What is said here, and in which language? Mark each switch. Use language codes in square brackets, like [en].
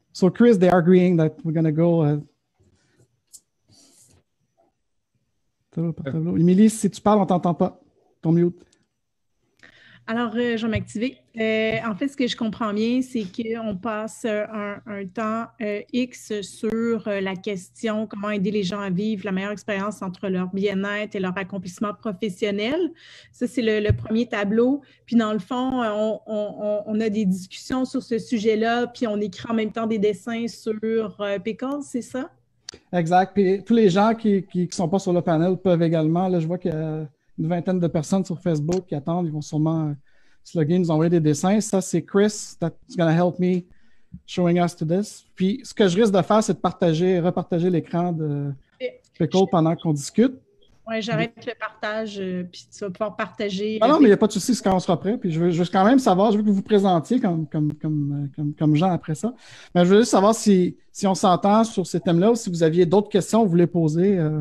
[en] So Chris, they are agreeing that we're going to go. [fr] Émilie, si tu parles, on ne t'entend pas. Ton mute. Alors, je vais m'activer. En fait, ce que je comprends bien, c'est qu'on passe un temps X sur la question comment aider les gens à vivre la meilleure expérience entre leur bien-être et leur accomplissement professionnel. Ça, c'est le premier tableau. Puis dans le fond, on a des discussions sur ce sujet-là, puis on écrit en même temps des dessins sur Pickles, c'est ça? Exact. Puis tous les gens qui ne sont pas sur le panel peuvent également, là, je vois qu'il y a une vingtaine de personnes sur Facebook qui attendent, ils vont sûrement... Slogan, nous envoyer des dessins. Ça, c'est [en] Chris that's going to help me showing us to this. [fr] Puis, ce que je risque de faire, c'est de partager, repartager l'écran de Pickle pendant qu'on discute. Oui, j'arrête le partage, puis tu vas pouvoir partager. Ah non, mais il n'y a pas de souci, c'est quand on sera prêt. Puis, je veux quand même savoir, je veux que vous vous présentiez comme gens après ça. Mais je veux juste savoir si on s'entend sur ces thèmes-là ou si vous aviez d'autres questions que vous voulez poser.